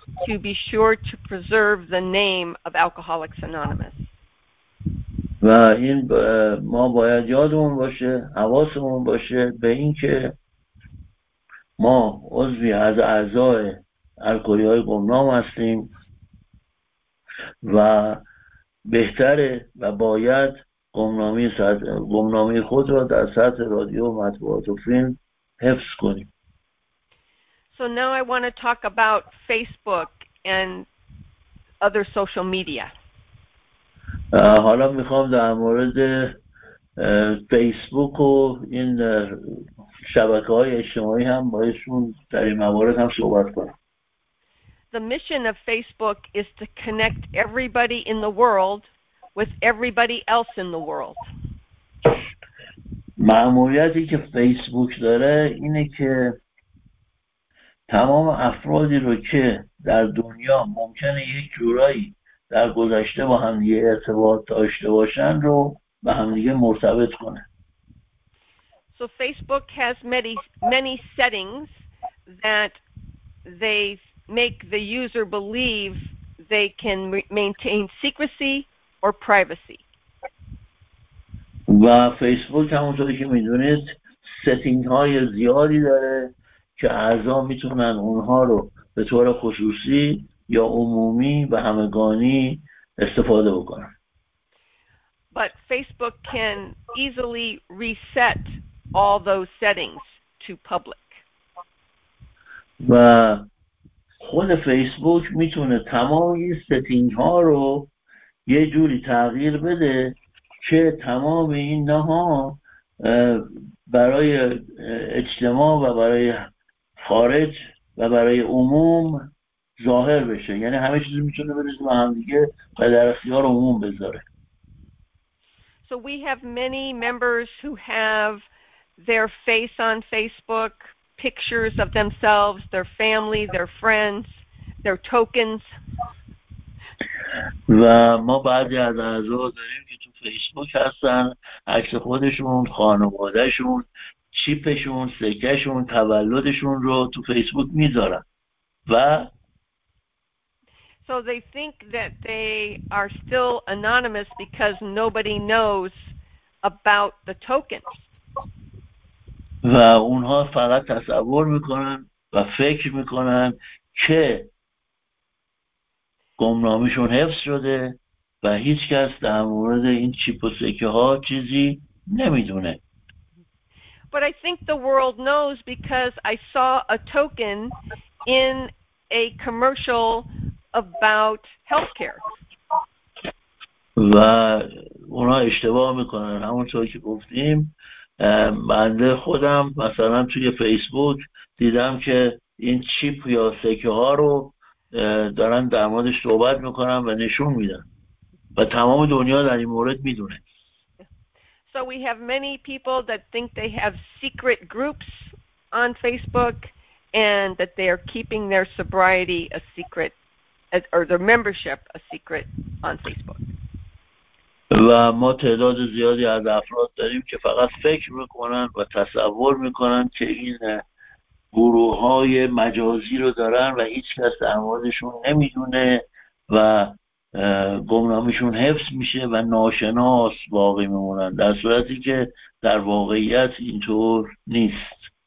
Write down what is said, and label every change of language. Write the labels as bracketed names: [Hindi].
[English] to be sure to preserve the name of Alcoholics Anonymous. [Persian] و این ما باید یادمون باشه، حواسمون باشه به اینکه ما عضوی از اعضای الکلی‌های گمنام هستیم و بهتره و باید گمنامی خود را در سطح رادیو و مطبوعات و فیلم حفظ کنیم. [English] So now I want to talk about Facebook and other social media. [Persian] حالا میخوام در مورد فیسبوک و این شبکه‌های اجتماعی هم باهاشون در این موارد هم صحبت کنم. [English] The mission of Facebook is to connect everybody in the world with everybody else in the world. [Persian] ماموریتی که فیسبوک داره اینه که تمام افرادی رو که در دنیا ممکنه یک جورایی در گذشته با هم یه ارتباط داشته باشن رو به هم دیگه مرتبط کنه. [English] So Facebook has many settings that they make the user believe they can maintain secrecy or privacy. [Persian] و فیسبوک همونطوری که میدونید ستینگ های زیادی داره که اعضا میتونن اونها رو به طور خصوصی یا عمومی و همگانی استفاده بکنن. [English] But Facebook can easily reset all those settings to public. [Persian] و خود فیسبوک میتونه تمام این ستینگ ها رو یه جوری تغییر بده که تمام این نها برای اجتماع و برای خارج و برای عموم ظاهر بشه، یعنی همه چیز میتونه بریزه و هم دیگه و در اختیار عموم بذاره. [English] So we have many members who have their face on Facebook, pictures of themselves, their family, their friends, their tokens. [Persian] و ما بعضی از اعضا داریم که تو فیسبوک هستن، عکس خودشون، خانوادهشون، چیپشون، سکهشون، تولدشون رو تو فیسبوک میذارن و [English] So they think that they are still anonymous because nobody knows about the tokens. [Persian] و اونها فقط تصور میکنن و فکر میکنن که گمنامیشون حفظ شده و هیچ کس در مورد این چیپ و سکه ها چیزی نمیدونه. [English] But I think the world knows because I saw a token in a commercial about healthcare. [Persian] و اونا اشتباه میکنن، همونطور که گفتیم بنده خودم مثلا توی فیسبوک دیدم که این چیپ یا سکه ها رو دارن در موردش صحبت میکنن و نشون میدن و تمام دنیا در این مورد میدونه. [English] So we have many people that think they have secret groups on Facebook and that they are keeping their sobriety a secret or their membership a secret on Facebook. [Persian] و ما تعداد زیادی از افراد داریم که فقط فکر میکنن و تصور میکنن که این گروه های مجازی رو دارن و هیچ کس در موردشون نمیدونه و گمنامیشون حفظ میشه و ناشناس باقی میمونن، در صورتی که در واقعیت اینطور نیست.